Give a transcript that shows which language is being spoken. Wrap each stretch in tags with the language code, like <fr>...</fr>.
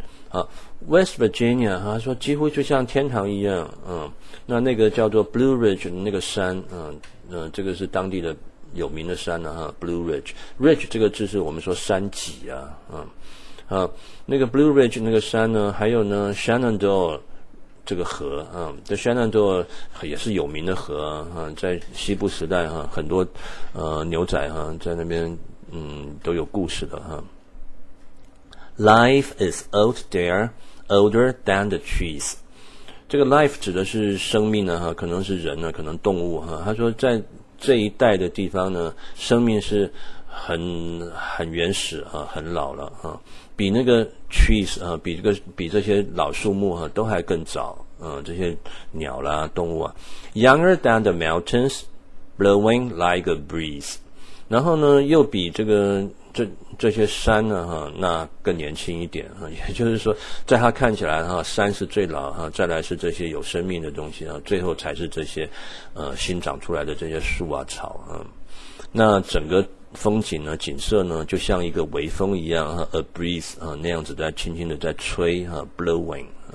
<zh>啊 ，West Virginia， 他说几乎就像天堂一样，那个叫做 Blue Ridge 的那个山，这个是当地的有名的山了、啊、哈 ，Blue Ridge，Ridge 这个字是我们说山脊啊，那个 Blue Ridge 那个山呢，还有呢 Shenandoah 这个河，这 Shenandoah 也是有名的河啊，在西部时代哈、啊，很多牛仔哈、啊、在那边都有故事的哈、啊。</zh> <en>Life is out there, older than the trees.</en> <zh>这个 life 指的是生命呢，可能是人呢，可能动物哈。他说在这一带的地方呢，生命是很原始啊，很老了啊，比那个 trees 啊，比这些老树木啊，都还更早啊，这些鸟啦，动物啊。</zh> <en>Younger than the mountains, blowing like a breeze.</en> <zh>然后呢，又比这个这些山呢、啊、哈，那更年轻一点哈，也就是说，在他看起来哈，山是最老哈，再来是这些有生命的东西啊，最后才是这些新长出来的这些树啊草啊。那整个风景呢，景色呢，就像一个微风一样哈 ，</zh> <en>a breeze</en> <zh>啊，那样子在轻轻的在吹哈 ，blowing。</zh>